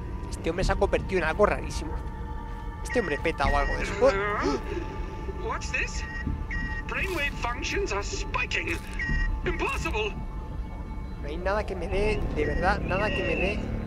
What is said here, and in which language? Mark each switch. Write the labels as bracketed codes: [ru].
[es] Este hombre se ha convertido en algo rarísimo. Este hombre peta o algo de eso. [en] What's this? Brainwave functions are spiking. Impossible. [es] No hay nada que me dé, de verdad, nada que me dé.